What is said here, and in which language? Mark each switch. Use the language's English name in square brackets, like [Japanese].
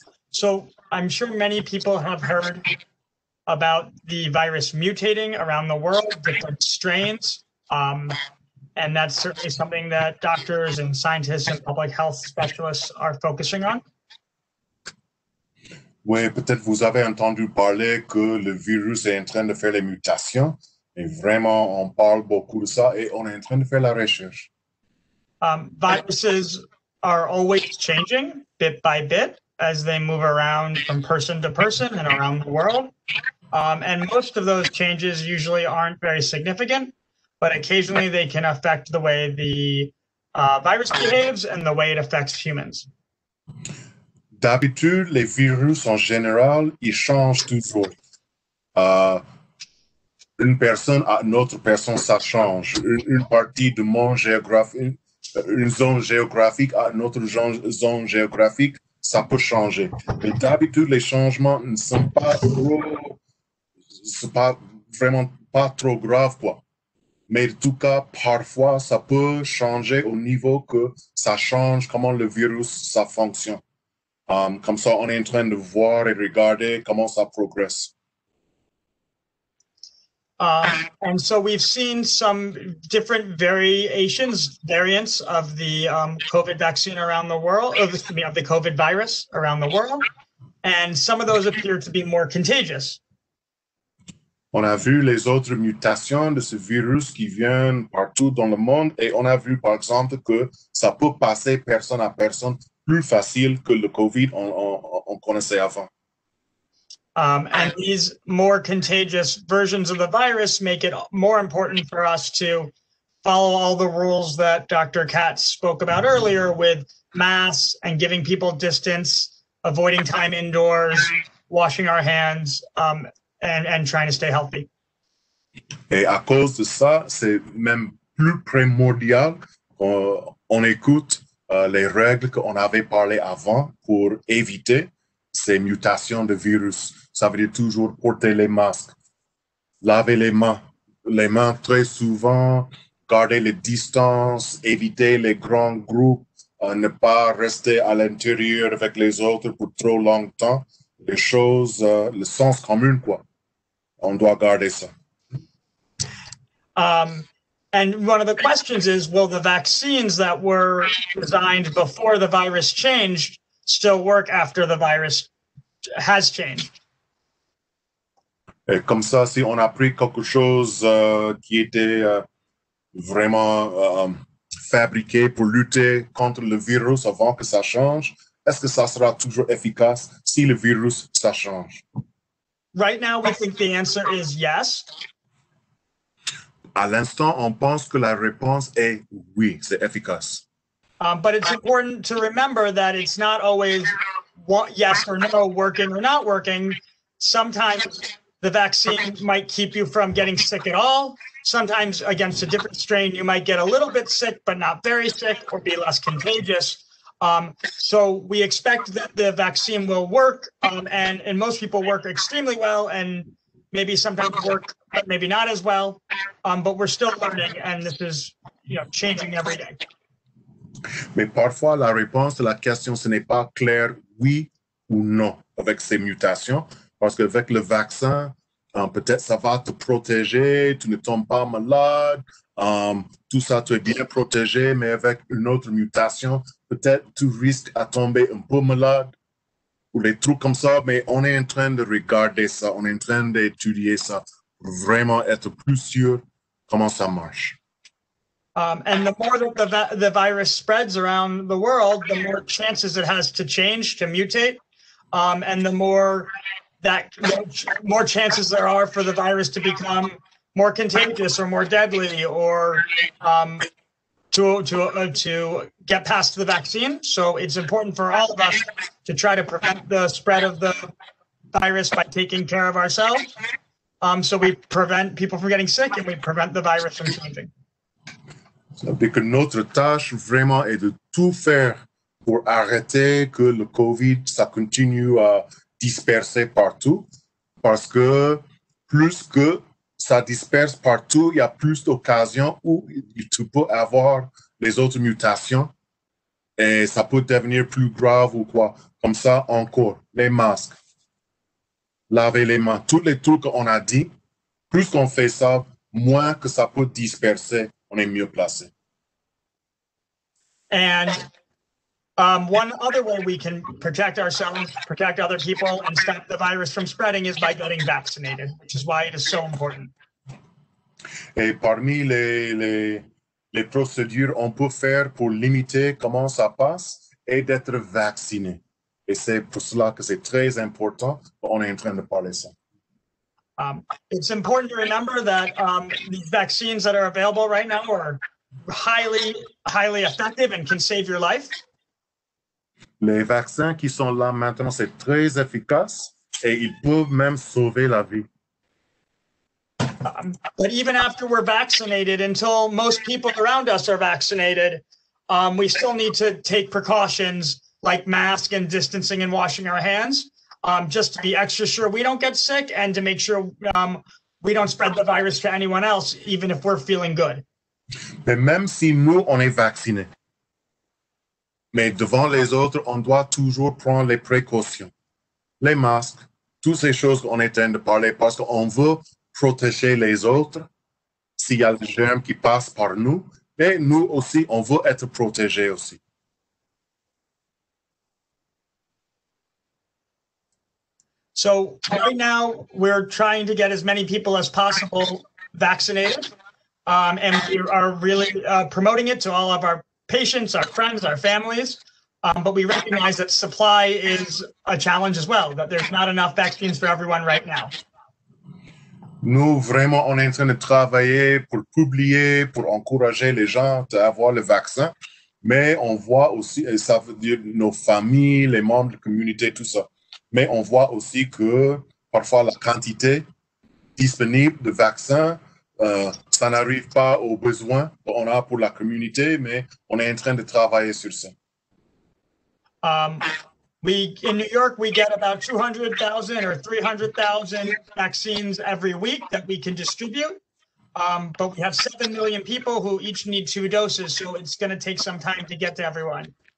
[English] So I'm sure many people have heard about the virus mutating around the world, different strains. And that's certainly something that doctors and scientists and public health specialists are focusing on. [French] Oui, peut-être vous avez entendu parler que le virus est en train de faire les mutations. Et vraiment, on parle beaucoup de ça et on est en train de faire la recherche. [English] Viruses are always changing bit by bit as they move around from person to person and around the world. And most of those changes usually aren't very significant, but occasionally they can affect the way the virus behaves and the way it affects humans. [French] D'habitude, les virus en général, ils changent toujours. Une personne à une autre personne, ça change. Une partie du monde géographique, une zone géographique à une autre zone géographique, ça peut changer. Mais d'habitude, les changements ne sont pas trop, c'est pas vraiment pas trop grave, quoi. Mais en tout cas, parfois, ça peut changer au niveau que ça change comment le virus, ça fonctionne. Comme ça, on est en train de voir et regarder comment ça progresse. [English] And so we've seen some different variants of the COVID vaccine around the world, of the COVID virus around the world. And some of those appear to be more contagious. [French] On a vu les autres mutations de ce virus qui viennent partout dans le monde et on a vu, par exemple, que ça peut passer personne à personne plus facile que le COVID on connaissait avant. [English] And these more contagious versions of the virus make it more important for us to follow all the rules that Dr. Katz spoke about earlier with masks and giving people distance, avoiding time indoors, washing our hands, and trying to stay healthy. [French] Et à cause de ça, c'est même plus primordial qu'on écoute les règles qu'on avait parlé avant pour éviter ces mutations de virus. Ça veut dire toujours porter les masques, laver les mains très souvent, garder les distances, éviter les grands groupes, ne pas rester à l'intérieur avec les autres pour trop longtemps. Les choses, le sens commun, quoi. On doit garder ça. [English] And one of the questions is, will the vaccines that were designed before the virus changed still work after the virus has changed? [French] Et comme ça, si on a pris quelque chose qui était vraiment fabriqué pour lutter contre le virus avant que ça change, est-ce que ça sera toujours efficace si le virus, ça change? [English] Right now, we think the answer is yes. [French] À l'instant, on pense que la réponse est oui, c'est efficace. [English] But it's important to remember that it's not always yes or no, working or not working. Sometimes the vaccine might keep you from getting sick at all. Sometimes against a different strain, you might get a little bit sick, but not very sick or be less contagious. So we expect that the vaccine will work and most people work extremely well and maybe sometimes work, but maybe not as well. But we're still learning and this is, you know, changing every day. [French] Mais parfois la réponse de la question, ce n'est pas clair oui ou non avec ces mutations. Parce qu'avec le vaccin, peut-être ça va te protéger, tu ne tombes pas malade, tout ça, tu es bien protégé, mais avec une autre mutation, peut-être tu risques à tomber un peu malade ou des trucs comme ça, mais on est en train de regarder ça, on est en train d'étudier ça, pour vraiment être plus sûr comment ça marche. [English] And the more that the virus spreads around the world, the more chances it has to change, to mutate, and the more that more chances there are for the virus to become more contagious or more deadly or to get past the vaccine. So it's important for all of us to try to prevent the spread of the virus by taking care of ourselves. So we prevent people from getting sick and we prevent the virus from changing. [French] Notre tâche vraiment est de tout faire pour arrêter que le COVID ça continue à dispersé partout, parce que plus que ça disperse partout, il y a plus d'occasions où tu peux avoir les autres mutations et ça peut devenir plus grave ou quoi. Comme ça, encore, les masques, laver les mains, tous les trucs qu'on a dit, plus qu'on fait ça, moins que ça peut disperser, on est mieux placé. [English] One other way we can protect ourselves, protect other people, and stop the virus from spreading is by getting vaccinated, which is why it is so important. [French] Et parmi les procédures on peut faire pour limiter comment ça passe est d'être vacciné. Et c'est pour cela que c'est très important qu'on est en train de parler ça. [English] It's important to remember that these vaccines that are available right now are highly, highly effective and can save your life. [French] Les vaccins qui sont là maintenant, c'est très efficace et ils peuvent même sauver la vie. [English] But even after we're vaccinated, until most people around us are vaccinated, we still need to take precautions like mask and distancing and washing our hands, just to be extra sure we don't get sick and to make sure we don't spread the virus to anyone else, even if we're feeling good. [French] Mais même si nous, on est vaccinés, mais devant les autres, on doit toujours prendre les précautions. Les masques, toutes ces choses qu'on est en train de parler, parce qu'on veut protéger les autres. S'il y a des germes qui passent par nous, mais nous aussi, on veut être protégés aussi. [English] So right now, we're trying to get as many people as possible vaccinated. And we are really promoting it to all of our patients, our friends, our families. But we recognize that supply is a challenge as well, that there's not enough vaccines for everyone right now. [French] Nous vraiment on est en train de travailler pour publier, pour encourager les gens à avoir le vaccin, mais on voit aussi, et ça veut dire nos familles, les membres de la communauté, tout ça, mais on voit aussi que parfois la quantité disponible de vaccins, ça n'arrive pas aux besoins qu'on a pour la communauté, mais on est en train de travailler sur ça. [English] We in New York, we get about 200,000 or 300,000 vaccines every week that we can distribute. But we have 7 million people who each need two doses, so it's going to take some time to get to everyone.